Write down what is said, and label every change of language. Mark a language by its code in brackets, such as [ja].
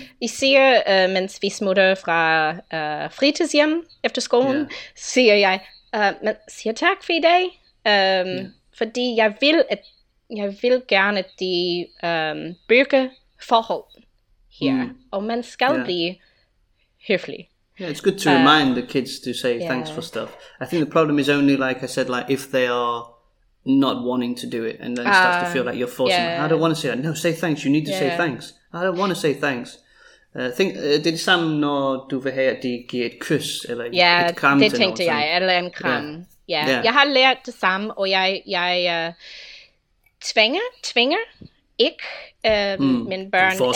[da] Vi siger, mens vi smutter fra fritidshjem efter skolen, siger jeg, men siger tak for i dag. Fordi jeg vil gerne, at de bygger forhold her. Mm. Og man skal blive høflig. [en] Yeah, it's good to remind the kids to say thanks for stuff. I think the problem is only, like I said, like if they are not wanting to do it, and then starts to feel like you're forcing them. I don't want to say that. No, say thanks. You need to say thanks. I don't want to say thanks. [da] Det er det samme, når du vil have, at de giver et kys, eller et kram til noget. Ja, det tænkte jeg, eller en kram. Jeg har lært det samme, og jeg tvinger ikke mine børn